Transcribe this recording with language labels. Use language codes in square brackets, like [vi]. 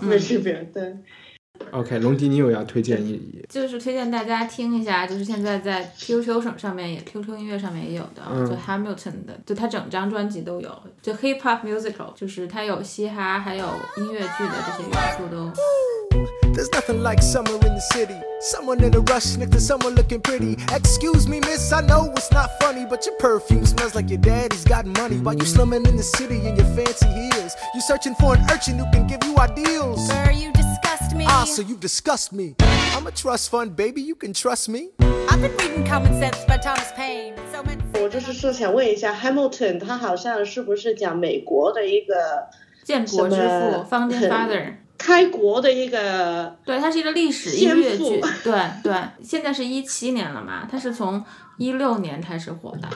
[zh] 没区别。对 OK， 龙迪你有要推荐一就是推荐大家听一下，就是现在在 QQ 上面也 QQ 音乐上面也有的、嗯、就 Hamilton 的，就他整张专辑都有，就 Hip Hop Musical， 就是他有嘻哈还有音乐剧的这些元素都。 [en] There's nothing like summer in the city. Someone in a rush next to someone looking pretty. Excuse me, miss, I know it's not funny, but your perfume smells like your daddy's got money. While you slumming in the city in your fancy heels, you searching for an urchin who can give you ideals. Sir, you disgust me. Ah, so you disgust me. I'm a trust fund baby, you can trust me. I've been reading Common Sense by Thomas Paine. So many. [zh] 我就是说想问一下 ，Hamilton， 他好像是不是讲美国的一个建国之父 ，Founding Father？开国的一个，对，它是一个历史音乐剧，对对，现在是2017年了嘛，它是从2016年开始火的，